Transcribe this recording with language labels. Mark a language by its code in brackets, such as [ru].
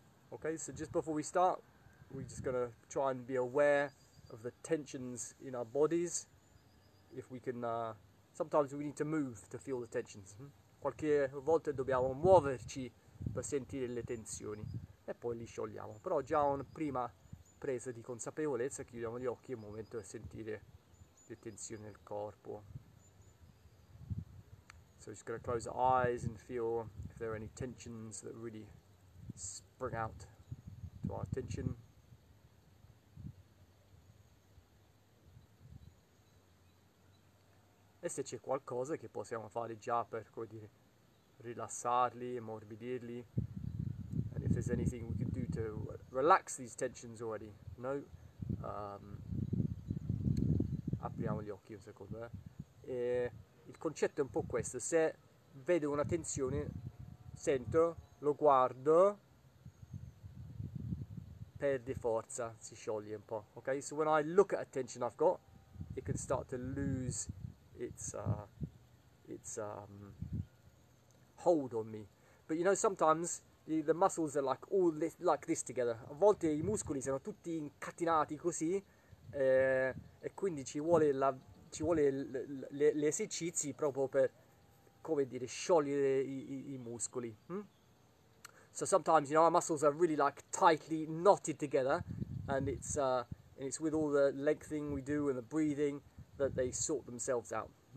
[en] Ok, so just before we start, we're just gonna try and be aware of the tensions in our bodies. If we can, sometimes we need to move to feel the tensions. [it] Qualche volta dobbiamo muoverci per sentire le tensioni e poi li sciogliamo. Però già una prima presa di consapevolezza, chiudiamo gli occhi e è un momento per sentire le tensioni nel corpo. [en] So just gonna close our eyes and feel if there are any tensions that really spring out to our attention. [it] E se c'è qualcosa che possiamo fare già per, come dire, rilassarli, ammorbidirli. [en] And if there's anything we can do to relax these tensions already, no? [it] Apriamo gli occhi un secondo, eh? E il concetto è un po' questo: se vedo una tensione, sento, lo guardo, perde forza, si scioglie un po'. [en] Ok? So when I look at a tension I've got, it can start to lose its hold on me. But you know, sometimes the muscles are like all like this together. [it] A volte i muscoli sono tutti incatenati così, e quindi ci vuole gli esercizi proprio per, come dire, sciogliere i muscoli. [en] So sometimes, you know, our muscles are really like tightly knotted together, and it's with all the lengthening we do and the breathing that they sort themselves out.